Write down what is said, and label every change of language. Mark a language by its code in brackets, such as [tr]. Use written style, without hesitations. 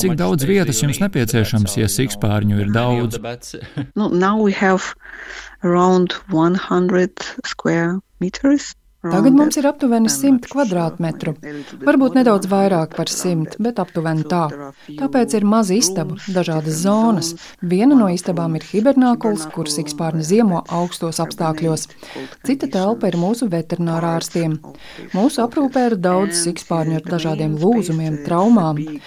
[lv] cik daudz vietas jums nepieciešams, ja sikspārņu ir daudz? [en] Now we have around 100 square meters. [lv] Tagad mums ir aptuveni 100 kvadrātmetru. Varbūt nedaudz vairāk par 100, bet aptuveni tā. Tāpēc ir maza istaba, dažādas zonas. Viena no istabām ir hibernākuls, kuras ikspārni ziemo augstos apstākļos. Cita telpa ir mūsu veterinārā ārstiem. Mūsu aprūpē ir daudz ikspārņu ar dažādiem lūzumiem, traumām.